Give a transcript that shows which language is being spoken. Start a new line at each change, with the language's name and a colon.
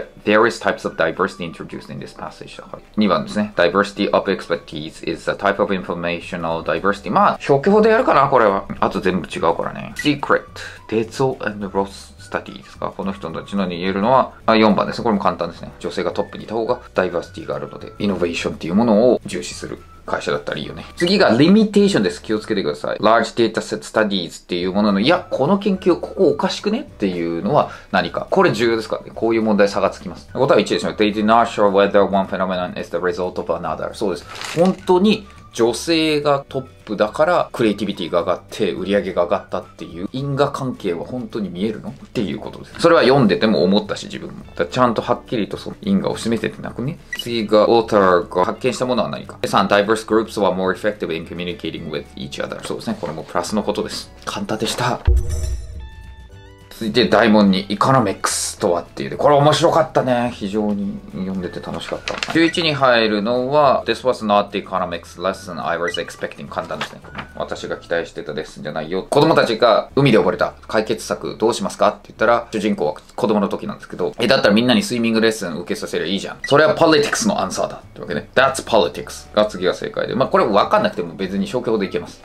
English: various types of diversity introduced in this passage。
Japanese: 2番ですね。
English: diversity of expertise is a type of informational diversity。
Japanese: まあ、消去法でやるかな、これは。あと全部違うからね。secret、Tetsuo and Ross study ですか。この人たちのに言えるのは、4番ですね。これも簡単ですね。女性がトップにいた方がダイバーシティがあるので、イノベーションっていうものを重視する会社だったらいいよね。次が、リミテーションです。気をつけてください。large data set studies っていうものの、いや、この研究、ここおかしくねっていうのは何か。これ重要ですからね。こういう問題、差がつきます。答えは1ですよ。
English: they did not show whether one phenomenon is the result of another。
Japanese: そうです。本当に、女性がトップだから、クリエイティビティが上がって、売り上げが上がったっていう、因果関係は本当に見えるのっていうことです。それは読んでても思ったし、自分も。だちゃんとはっきりとその因果を示せ てなくね。次が、オーターが発見したものは何か。
English: 3、diverse groups were more effective in communicating with each other。
Japanese: そうですね。これもプラスのことです。簡単でした。続いて、大門に、イコノミックスとはっていうで、これ面白かったね。非常に読んでて楽しかった。 11に入るのは、
English: This was not the economics lesson I was expecting.
Japanese: 簡単ですね。私が期待してたレッスンじゃないよ。子供たちが海で溺れた。解決策どうしますかって言ったら、主人公は子供の時なんですけど、だったらみんなにスイミングレッスン受けさせりゃいいじゃん。それは politics のアンサーだ。ってわけね。
English: That's politics
Japanese: が次が正解で。まあ、これ分かんなくても別に消去法でいけます。